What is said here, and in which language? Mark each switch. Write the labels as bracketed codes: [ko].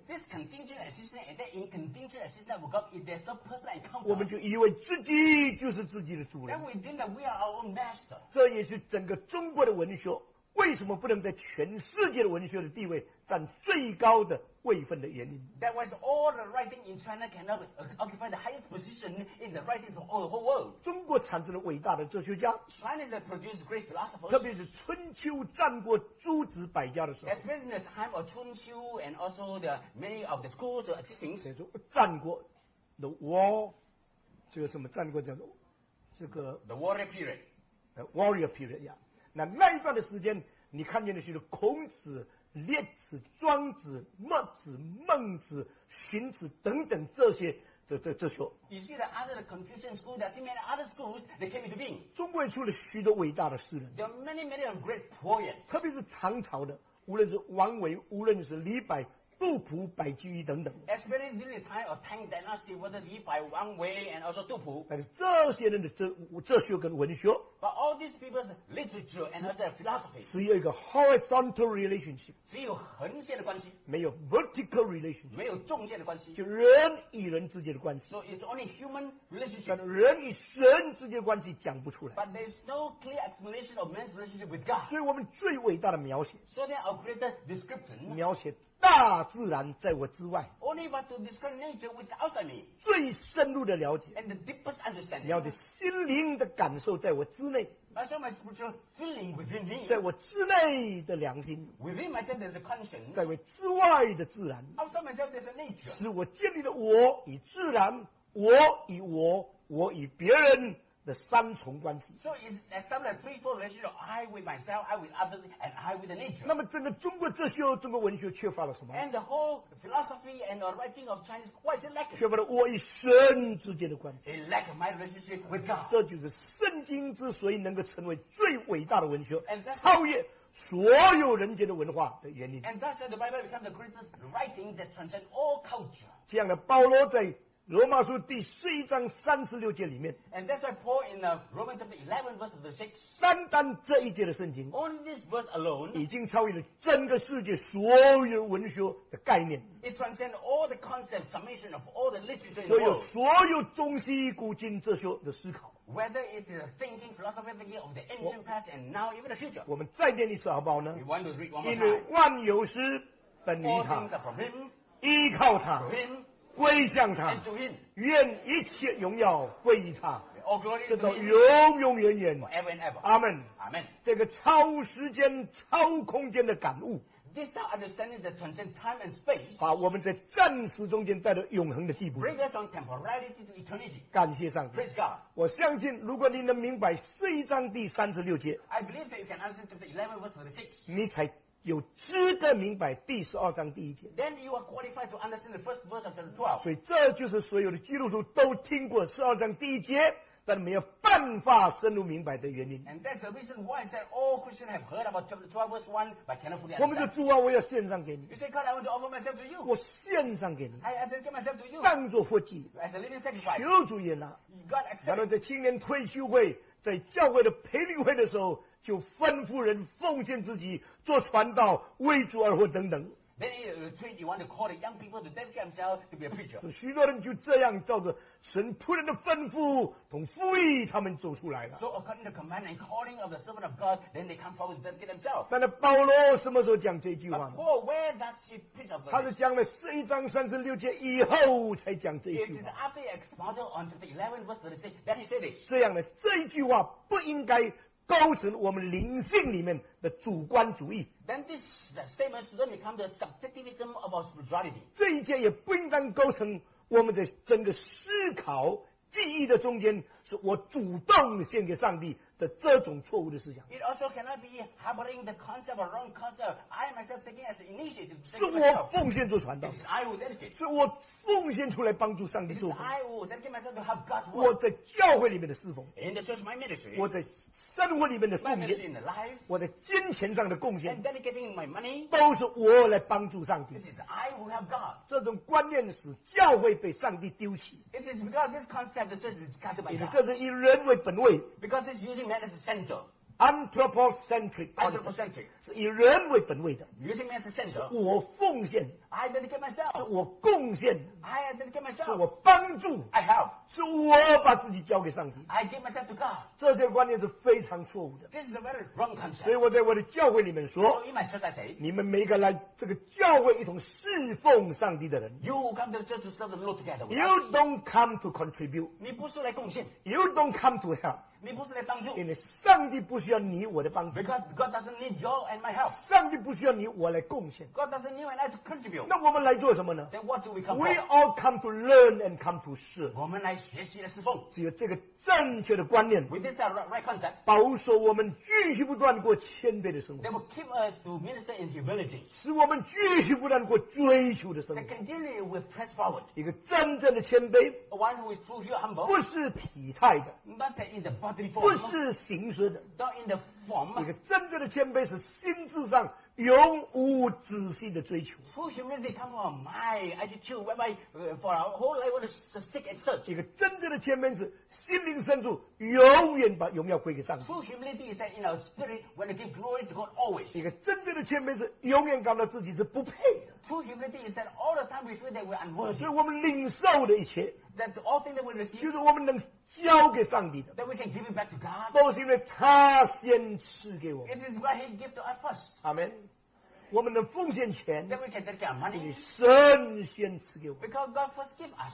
[en] this contingent assistance and that incontingent assistance will come if there's no personal encounter [zh] 我们就以为自己就是自己的主人 [en] then we think that we are our own master [zh] 这也是整个中国的文学为什么不能在全世界的文学的地位占最高的位分的原因 [en] that was all the writing in China cannot occupy the highest position in the writings of all the whole world [zh] 中国产生了伟大的哲学家 [en] China has produced great philosophers [zh] 特别是春秋战国诸子百家的时候 [en] especially in the time of 春秋 and also the many of the schools of existing [zh] 战国 [en] the war [zh] 这个什么战国叫做这个 [en] the warrior period the warrior period yeah [zh] 那一段的时间你看见的是孔子列子庄子墨子孟子荀子等等这些这些 [en] you see the other Confucian school that see many other schools they came into being [zh] 中国人出了许多伟大的诗人 [en] there are many many great poets [zh] 特别是唐朝的无论是王维无论是李白杜甫白居易等等 [en] especially during the time of Tang Dynasty whether Li Bai Wang Wei and also 杜甫 [zh] 但是这些人的哲学跟文学 [en] but all these people's literature and other philosophy [zh] 只有一个 [en] horizontal relationship [zh] 只有横线的关系没有 [en] vertical relationship [zh] 没有纵线的关系就人与人之间的关系 [en] so it's only human relationship [zh] 但人与神之间的关系讲不出来 [en] but there's no clear explanation of man's relationship with God [zh] 所以我们最伟大的描写 [en] so then our greater description [zh] 描写大自然在我之外。 [en] Only but to discern nature which is outside me. [zh] 最深入的了解。 [en] And the deepest understanding. [zh] 了解心灵的感受在我之内。 [en] Myself, my spiritual feeling within me. [zh] 在我之内的良心。 [en] Within myself, there's a conscience. [zh] 在我之外的自然。 [en] Outside myself, there's a nature. [zh] 使我建立了我与自然，我与我，我与别人的三重关系。 [en] So it's established a threefold relationship: I with myself, I with others, and I with the nature. [zh] 那么整个中国哲学、中国文学缺乏了什么 [en] ？And the whole philosophy and the writing of Chinese, what is it lacking? [zh] 缺乏了我与神之间的关系。 [en] It lack my relationship with God. [zh] 这就是圣经之所以能够成为最伟大的文学， [en] and [zh] 超越所有人间的文化的原因。 [en] And thus the Bible becomes the greatest writing that transcends all culture. [zh] 这样的保罗在罗马书第十一章三十六节里面。 [en] And that's why Paul in Romans chapter 11 verse 6. [zh] 单单这一节的圣经。 [en] On this verse alone. [zh] 已经超越了整个世界所有文学的概念。 [en] It transcends all the concept summation of all the literature in the world. [zh] 所有所有中西古今哲学的思考。 [en] Whether it is a thinking, philosophy, thinking of the ancient past and now even the future. [zh] 我们再念一次好不好呢？ [en] We want to read one more time. [zh] 因为万有时本于他。 [en] All things are from him. [zh] 依靠他。 [en] From him. [zh] 归向他，愿一切荣耀归于他，直到永永远远。阿门，阿门。这个超时间、超空间的感悟， [en] This now understanding that transcends time and space, [zh] 把我们在暂时中间带到永恒的地步。 [en] Bring us from temporality to eternity. [zh] 感谢上帝。 [en] Praise God. [zh] 我相信，如果你能明白十一章第三十六节， [en] I believe that you can understand chapter 11 verse 36. [zh] 你才有值得明白第十二章第一节。 [en] Then you are qualified to understand the first verse of chapter 12. [zh] 所以这就是所有的基督徒都听过十二章第一节，但没有办法深入明白的原因。 [en] And that's the reason why is that all Christians have heard about chapter 12 verse 1, but cannot fully understand. [zh] 我们就主啊，我要献上给你。 [en] You say, God, I want to offer myself to you. [zh] 我献上给你。 [en] I dedicate myself to you. [zh] 当作活祭。 [en] As a living sacrifice. [zh] 求主也拿。 [en] God accept. [zh] 然后在青年退休会，在教会的培灵会的时候，就吩咐人奉献自己做传道，为主而活等等。 [en] Then you want to call the young people to dedicate themselves to be a preacher. [zh] 许多人就这样照着神仆人的吩咐同呼吁，他们走出来了。 [en] So according to command and calling of the servant of God, then they come forward to dedicate themselves. [zh] 但是保罗什么时候讲这句话呢？ [en] But Paul, where does he preach of God? [zh] 他是讲了十一章三十六节以后才讲这一句话。 [en] It is after he expounded on the 11 verse 36, then he said this. [zh] 这样的这一句话不应该构成我们灵性里面的主观主义。 [en] Then this statement shouldn't become the subjectivism of our spirituality. [zh] 这一节也不应当构成我们的整个思考记忆的中间，是我主动献给上帝的这种错误的思想。 [en] It also cannot be harboring the concept or wrong concept. I myself taking as initiative. [zh] 是我奉献做传道。 [en] It is I will dedicate. [zh] 是我奉献出来帮助上帝做工。 [en] It is I will dedicate myself to have God's work. [zh] 我在教会里面的侍奉。 [en] In the church, my ministry. [zh] 我在生活里面的奉献。 [en] My ministry in life. [zh] 我在金钱上的贡献。 [en] And dedicating my money. [zh] 都是我来帮助上帝。 [en] It is I will have God. [zh] 这种观念使教会被上帝丢弃。 [en] It is because this concept of church is cut by God. [zh] 这是以人为本位。 [en] Because this using man as a center. Anthropocentric. Anthropocentric. [zh] 是以人为本位的。 [en] Using man as a center. [zh] 是我奉献。 [en] I dedicate myself. [zh] 是我贡献。 [en] I dedicate myself. [zh] 是我帮助。 [en] I help. [zh] 是我把自己交给上帝。 [en] I give myself to God. [zh] 这些观念是非常错误的。 [en] This is a very wrong concept. [zh] 所以我在我的教会里面说。 [en] So in my church I say. [zh] 你们每个来这个教会一同侍奉上帝的人。 [en] You come to the church to serve the Lord together. You don't come to contribute. [zh] 你不是来贡献。 [en] You don't come to help. [zh] 你不是来帮助。因为上帝不需要你我的帮助。 [en] Because God doesn't need you and my help. [zh] 上帝不需要你我来贡献。 [en] God doesn't need you and I to contribute. [zh] 那我们来做什么呢？ [en] Then what do we come for? We all come to learn and come to serve. [zh] 我们来学习的侍奉。只有这个正确的观念， [en] With this right concept, [zh] 保守我们继续不断过谦卑的生活。 [en] They will keep us to minister in humility. [zh] 使我们继续不断过追求的生活。 [en] They continue with press forward. [zh] 一个真正的谦卑， [en] A one who is truly humble, [zh] 不是体态的， [en] Not in the bodily form, [zh] 不是形式的， [en] Not in the form. [zh] 一个真正的谦卑是心智上永无止息的追求。 [en] True humility comes from my attitude, whereby for our whole life we seek and search. [zh] 一个真正的谦卑是心灵深处永远把荣耀归给上帝。 [en] True humility is that in our spirit we want to give glory to God always. [zh] 一个真正的谦卑是永远感到自己是不配的。 [en] True humility is that all the time we feel that we're unworthy. [zh] 所以我们领受的一切。 [en] That all things that we receive. [zh] 就是我们能交给上帝的。 [en] That we can give it back to God. [zh] 都是因为他先赐给我们。 [en] It is what He gave to us first. [zh] Amen. 我们的奉献钱 [en] then we can take our money. [zh] 你神先赐给我们 [en] because God first gave us.